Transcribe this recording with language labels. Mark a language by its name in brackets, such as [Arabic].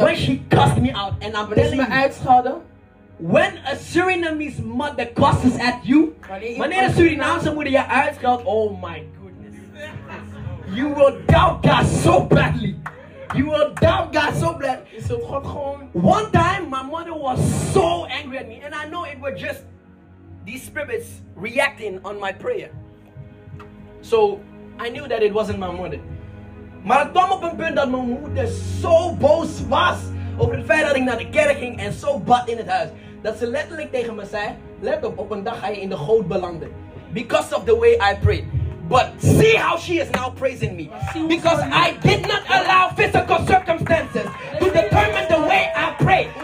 [English] when she cussed me out, and I'm telling you, [Dutch] uitschouwde, [English] when a Surinamese mother cusses at you, [Dutch] wanneer een Surinaamse moeder je uitschoudt, [English] oh my goodness, you will doubt God so badly. You will doubt God so bad. One time, my mother was so angry at me. And I know it was just these spirits reacting on my prayer. So I knew that it wasn't my mother. [Dutch] Maar het kwam op een punt dat mijn moeder zo boos was over het feit dat ik naar de kerk ging en zo bad in het huis. Dat ze letterlijk tegen me zei, let op een dag ga je in de goot belanden. [English] Because of the way I prayed. But see how she is now praising me. Because I did not allow physical circumstances to determine the way I pray.